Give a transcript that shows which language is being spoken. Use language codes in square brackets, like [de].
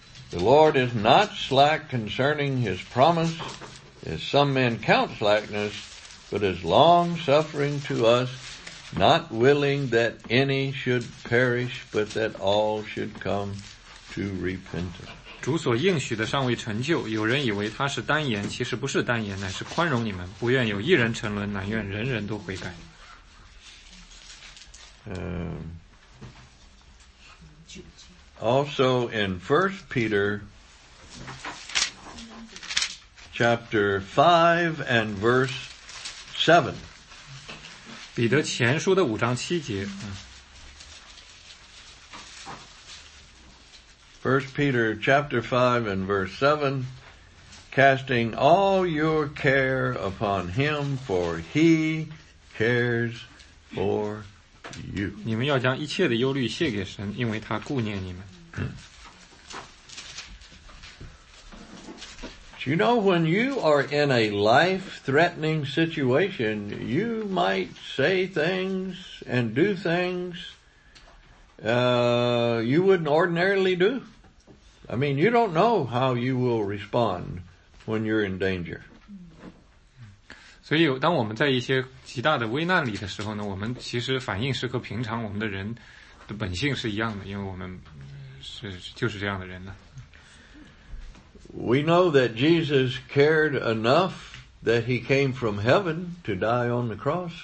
[en] The Lord is not slack concerning His promise, as some men count slackness, but is long suffering to us, not willing that any should perish, but that all should come to repentance. [zh] 主所应许的尚未成就，有人以为他是单言，其实不是单言，乃是宽容你们，不愿有一人沉沦，乃愿人人都悔改。 [en] Also in 1 Peter chapter 5 and verse 7. [zh] 彼得前书的五章七节。 [en] First Peter chapter 5 and verse 7, casting all your care upon him, for he cares for you. [zh] 你们要将一切的忧虑卸给神，因为他顾念你们。 [en] You know, when you are in a life-threatening situation, you might say things and do things you wouldn't ordinarily do. I mean, you don't know how you will respond when you're in danger. [zh] 所以当我们在一些极大的危难里的时候呢，我们其实反应是和平常我们的人的本性是一样的，因为我们是就是这样的人呢。 [en] We know that Jesus cared enough that he came from heaven to die on the cross.